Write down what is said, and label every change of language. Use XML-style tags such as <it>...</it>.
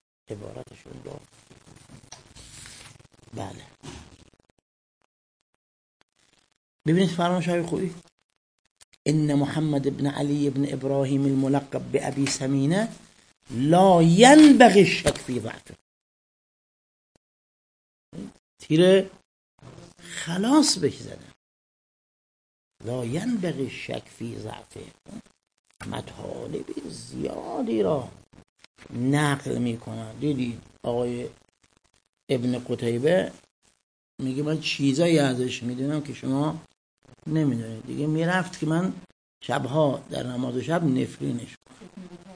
<fa>عبارتشون رو بله ببینید فرمایش های خویی ان محمد ابن علی ابن ابراهیم الملقب به ابی سمینه</fa> <ar>لا ينبغي الشك في ضعفه.</ar> <fa>تیره خلاص بهش زدن</fa> <ar>لا ينبغي الشك في ضعفه.</ar> <fa>مطالب زیادی را نقل میکنن. دیدید آقای ابن قتیبه میگه من چیزایی ازش میدونم که شما نمیدونید. دیگه میرفت که من شبها در نماز شب نفرینش کنم.</fa>